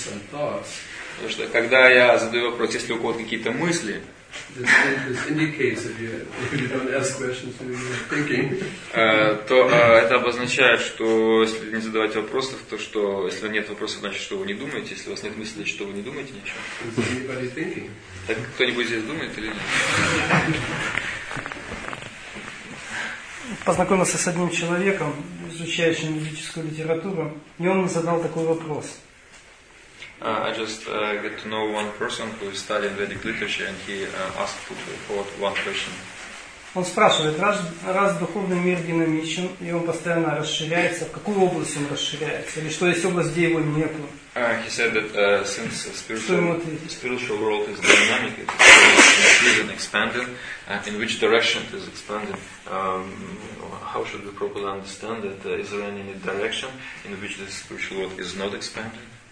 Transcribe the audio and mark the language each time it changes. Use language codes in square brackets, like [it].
[ru] Потому что когда я задаю вопрос, есть ли у кого-то какие-то мысли, то это обозначает, что если не задавать вопросов, то что если нет вопросов, значит, что вы не думаете. Если у вас нет мыслей, значит, что вы не думаете ничего. Так кто-нибудь здесь думает или нет? Познакомился с одним человеком, изучающим ведическую литературу, и он задал такой вопрос. [en] I just get to know one person who is studying Vedic literature, and he asked for one question. [ru] Он спрашивает, раз духовный мир динамичен и он постоянно расширяется, в какую область он расширяется, или что есть область, где его нету? [en] He said that since spiritual world is dynamic, it's increasing and expanding, in which direction it is expanding? How should we properly understand that? Is there any direction in which the spiritual world is not expanding?